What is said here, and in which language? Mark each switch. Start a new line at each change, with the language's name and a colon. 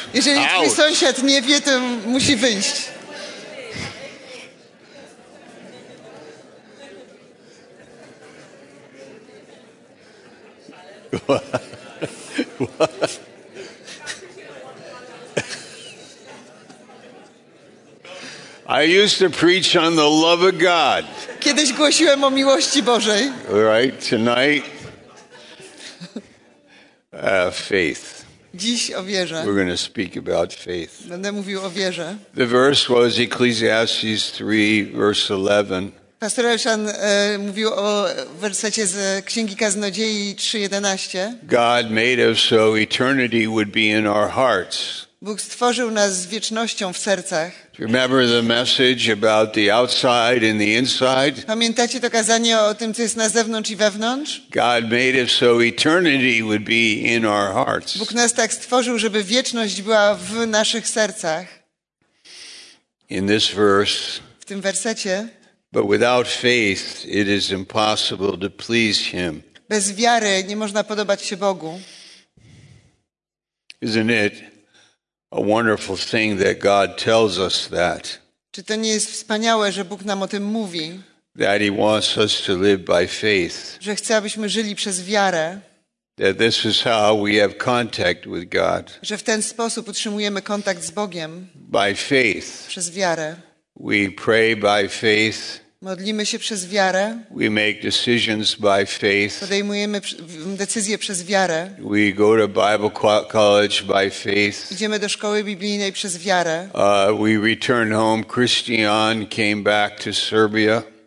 Polish: Jeżeli twój sąsiad nie wie, to musi wyjść.
English: I used to preach on the love of God.
Polish: Kiedyś głosiłem o miłości Bożej.
English: All right, tonight, faith.
Polish: Dziś o wierze.
English: We're going to speak about faith.
Polish: Będę mówił o wierze.
English: The verse was Ecclesiastes 3, verse 11.
Polish: Pastor Elshan mówił o wersecie z Księgi Kaznodziei 3:11.
English: God made us so eternity would be in our hearts.
Polish: Bóg stworzył nas z wiecznością w sercach.
English: Remember the message about the outside and the inside?
Polish: Pamiętacie to kazanie o tym, co jest na zewnątrz i wewnątrz?
English: God made it so eternity would be in our hearts.
Polish: Bóg nas tak stworzył, żeby wieczność była w naszych sercach.
English: In this verse.
Polish: W tym wersecie.
English: But without faith, it is impossible to please Him.
Polish: Bez wiary nie można podobać się Bogu.
English: Isn't it a wonderful thing that God tells us that?
Polish: Czy to nie jest wspaniałe, że Bóg nam o tym mówi?
English: That He wants us to live by faith.
Polish: Że chce, abyśmy żyli przez wiarę.
English: That this is how we have contact with God.
Polish: Że w ten sposób utrzymujemy kontakt z Bogiem.
English: By faith.
Polish: Przez wiarę.
English: We pray by faith.
Polish: Modlimy się przez wiarę.
English: We make decisions by faith.
Polish: Podejmujemy decyzje przez wiarę.
English: We go to Bible college by faith.
Polish: Idziemy do szkoły biblijnej przez wiarę.
English: We return home. Christian came back to Serbia.